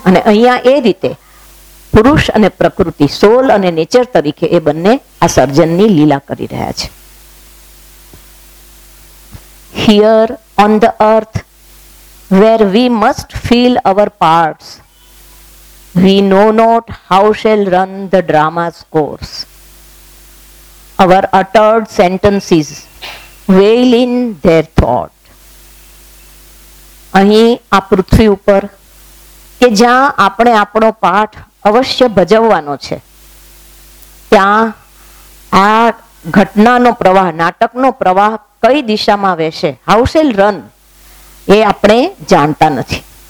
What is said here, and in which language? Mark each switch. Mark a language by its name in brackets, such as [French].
[Gujarati] અને અહીંયા એ રીતે પુરુષ અને પ્રકૃતિ, સોલ અને નેચર તરીકે એ બંને આ સર્જનની લીલા કરી રહ્યા છે. [English] Here on the earth where we must fill our parts, we know not how shall run the drama's course. Our uttered sentences veil in their thought. [Gujarati] અહીં આ પૃથ્વી ઉપર કે જ્યાં આપણે આપણો પાઠ અવશ્ય ભજવવાનો છે, ત્યાં આ ઘટનાનો પ્રવાહ, નાટકનો પ્રવાહ કઈ દિશામાં વહેશે, [English] how shall run, [Gujarati] એ આપણે જાણતા નથી.